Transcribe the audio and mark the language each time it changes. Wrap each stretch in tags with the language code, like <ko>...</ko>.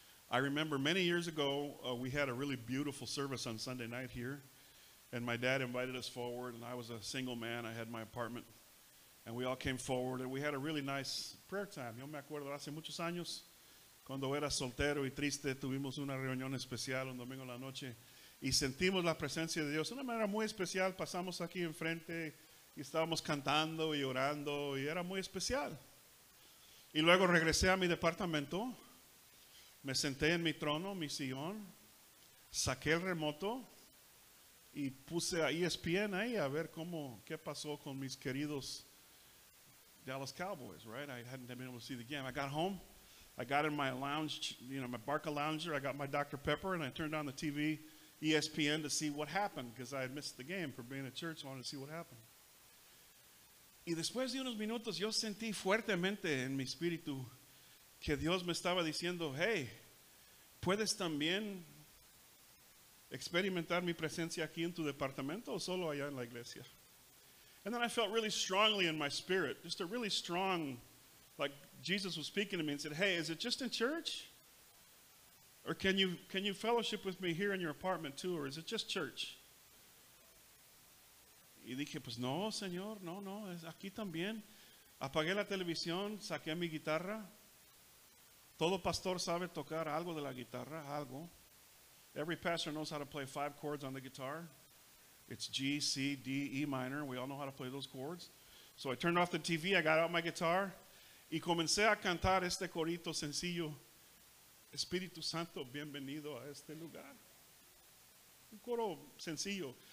<en>I remember many years ago, we had a really beautiful service on Sunday night here, and my dad invited us forward, and I was a single man. I had my apartment, and we all came forward, and we had a really nice prayer time.</en> <es>Yo me acuerdo hace muchos años, cuando era soltero y triste, tuvimos una reunión especial un domingo en la noche, y sentimos la presencia de Dios de una manera muy especial. Pasamos aquí enfrente y estábamos cantando y orando, y era muy especial. Y luego regresé a mi departamento, me senté en mi trono, mi sillón, saqué el remoto y puse a ESPN ahí a ver qué pasó con mis queridos Dallas Cowboys, right?</es> <en>I hadn't been able to see the game. I got home, I got in my lounge, my Barca lounger, I got my Dr. Pepper, and I turned on the TV, ESPN, to see what happened, because I had missed the game for being at church. I wanted to see what happened.</en> <es>Y después de unos minutos, yo sentí fuertemente en mi espíritu que Dios me estaba diciendo, hey, ¿puedes también experimentar mi presencia aquí en tu departamento o solo allá en la iglesia?</es> <en>And then I felt really strongly in my spirit, just a really strong, like Jesus was speaking to me and said, hey, is it just in church? Or can you fellowship with me here in your apartment too? Or is it just church?</en> <es>Y dije, pues no, Señor, no, es aquí también. Apagué la televisión, saqué mi guitarra. Todo pastor sabe tocar algo de la guitarra, algo.</es> <en>Every pastor knows how to play 5 chords on the guitar. It's G, C, D, E minor. We all know how to play those chords. So I turned off the TV, I got out my guitar,</en> <es>y comencé a cantar este corito sencillo Espíritu Santo, bienvenido a este lugar. Un coro sencillo.</es>